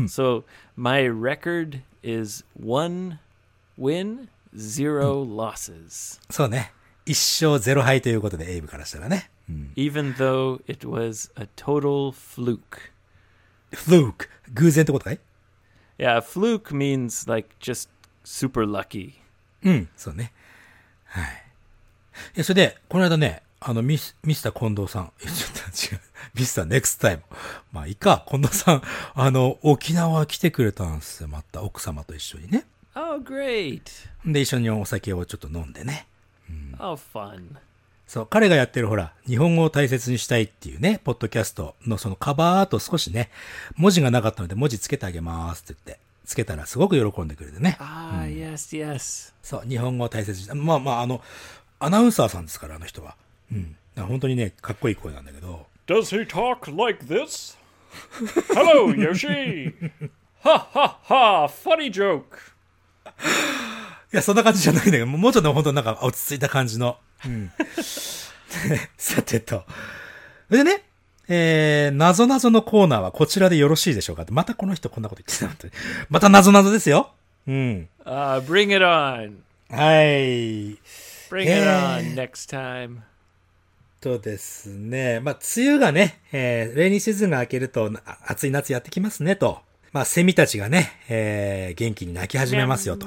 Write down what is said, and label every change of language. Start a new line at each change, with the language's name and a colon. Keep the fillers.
English: So, my record is one win, zero losses.
Japanese: そうね。一勝ゼロ敗ということで、エイブからしたらね。
English: Even though it was a total fluke.
Japanese: Fluke. 偶然ってことかい
English: Yeah, fluke means like just super lucky
Japanese: うんそうねはいいやそれでこの間ねあのミスミスター近藤さんちょっと違う ミスターネクスタイムまあいいか近藤さんあの沖縄来てくれたんですよまた奥様と一緒にね
English: Oh, great.
Japanese: で一緒にお酒をちょっと飲んで
English: ね、うん oh,、fun.
Japanese: そう彼がやってるほら日本語を大切にしたいっていうねポッドキャストのそのカバーと少しね文字がなかったので文字つけてあげますって言ってつけたらすごく喜んでくれてね。ああ、うん、yes, yes. そう、日本語を大切にまあまあ、あの、アナウンサーさんですから、あの人は。うん。本当にね、かっこいい声なんだけど。
English: Does he talk like this?Hello, Yoshi! ha ha h Funny joke!
Japanese: いや、そんな感じじゃないんだけど、もうちょっと本当なんか落ち着いた感じの。うん、 さてと。でね。えー、なぞのコーナーはこちらでよろしいでしょうかまたこの人こんなこと言ってたって。またなぞですよ。うん。
English: あ、uh, bring it、on. はい。 bring it、えー、on next t i m とですね。
Japanese: まあ、梅雨がね、えー、レイニーシーズンが明けると、暑い夏やってきますね、と。まあ、セミたちがね、えー、元気に泣き始めますよと、